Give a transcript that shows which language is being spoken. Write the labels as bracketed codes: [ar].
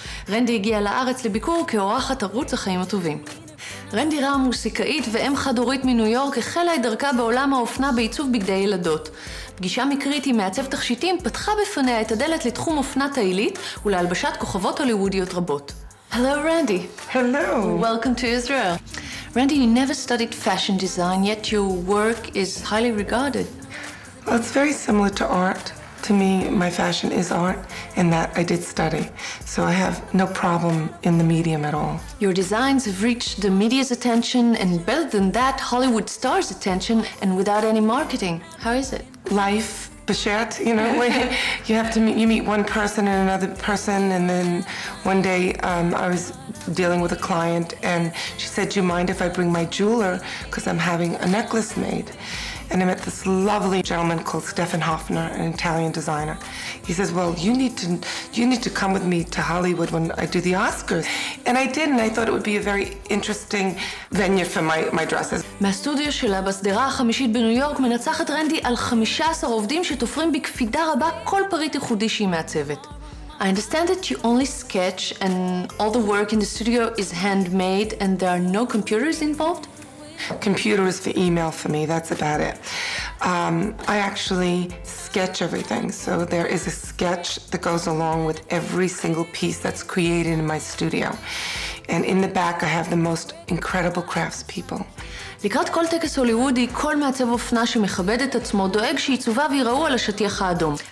[he] רנדי הגיעה לארץ לביקור כאורחת ערוץ החיים הטובים. רנדי רם, מוסיקאית ואם חד-הורית מניו יורק, החלה את דרכה בעולם האופנה בעיצוב בגדי ילדות. פגישה מקרית עם מעצב תכשיטים פתחה בפניה את הדלת לתחום אופנה תעילית ולהלבשת כוכבות הוליוודיות רבות. [en] Hello, Randi. Hello. Welcome to Israel. Randi, you never studied fashion design, yet your work is highly regarded. Well, it's very similar to art. To me, my fashion is art, in that I did study. So I have no problem in the medium at all. Your designs have reached the media's attention, and better than that, Hollywood stars' attention, and without any marketing. How is it? Life. Bichette, you know, when you have to meet, you meet one person and another person, and then one day I was dealing with a client and she said, do you mind if I bring my jeweler, because I'm having a necklace made. And I met this lovely gentleman called Stefan Hoffner, an Italian designer. He says, well, you need to come with me to Hollywood when I do the Oscars. And I did, and I thought it would be a very interesting venue for my dresses. [he] מהסטודיו שלה בסדרה החמישית בניו יורק מנצחת רנדי על 15 עובדים שתופרים בקפידה רבה כל פריט ייחודי שהיא מעצבת. [en] I understand that you only sketch and all the work in the studio is handmade and there are no computers involved? Computer is for email for me, that's about it. I actually sketch everything, so there is a sketch that goes along with every single piece that's created in my studio. And in the back I have the most incredible craftspeople. [he] לקראת כל טקס הוליוודי, כל מעצב אופנה שמכבד את עצמו דואג שעיצובה ויראו על השטיח האדום.